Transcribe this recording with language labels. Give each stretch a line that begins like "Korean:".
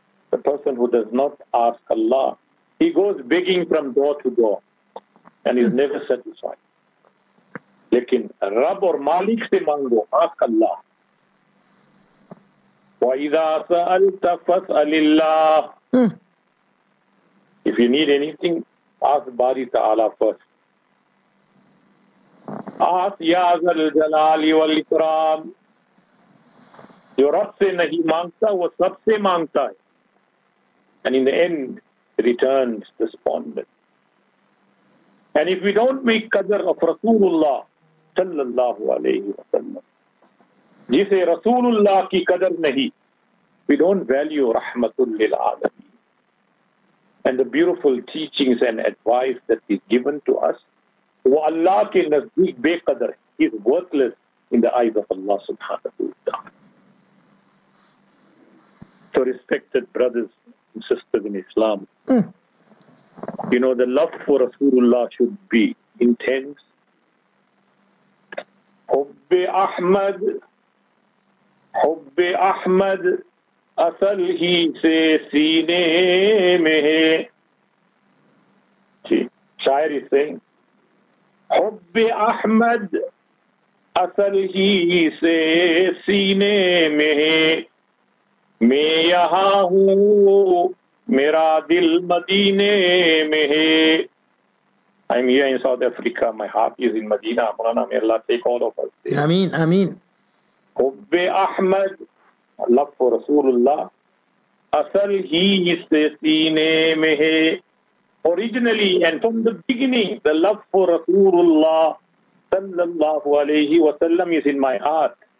English: The person who does not ask Allah, he goes begging from door to door and is never satisfied.
Urdu: Lekin Rab aur Malik se mango,
English: ask Allah.
Arabic: وَإِذَا سَأَلْتَ فَاسْأَلِ اللَّهِ
English: If you need anything, ask Bari Ta'ala first.
Urdu: Ask
Arabic: يَا ذَا الْجَلَالِ وَالْإِكْرَامِ
Urdu: جو رب سے نہیں مانگتا وہ سب سے مانگتا ہے.
English: And in the end, returns despondent. And if we don't make qadr of Rasulullah صلى الله عليه وسلم
Urdu: جسے رسول اللہ کی قدر نہیں,
English: we don't value rahmatul lil alamin. And the beautiful teachings and advice that is given to us,
Urdu: wa Allah ke nazdeek beqadr,
English: is worthless in the eyes of Allah subhanahu wa ta'ala. So respected brothers and sisters in Islam, you know, the love for Rasulullah should be intense.
Urdu: Hubbi Ahmad, Hubbi Ahmad, اصل ہی سے سینے میں ہے. جی, شاعر اسے حب احمد اصل ہی سے سینے میں ہے, میں یہاں ہوں میرا دل مدینے میں ہے.
English: I'm here in South Africa, my heart is in Medina. Mulana, may Allah take all of us.
Arabic: Ameen, ameen.
Urdu: حب Ahmad,
English: love for Rasulullah,
Urdu: asal hi isse seene mein hai.
English: Originally and from the beginning, the love for Rasulullah sallallahu alayhi wa sallam is in my heart.